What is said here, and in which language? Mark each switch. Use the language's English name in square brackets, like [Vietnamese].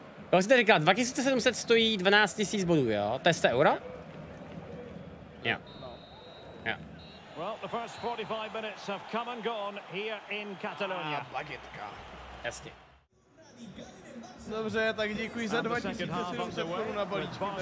[Czech] Kolik jste říkal, 2700 stojí 12 000 bodů, jo? To je 100 euro? Jo. [English] Well, the first 45 minutes have come and gone here in Catalonia. [Czech] Bagetka. Jasně. Dobře, tak děkuji za 2700 korun na balíčky.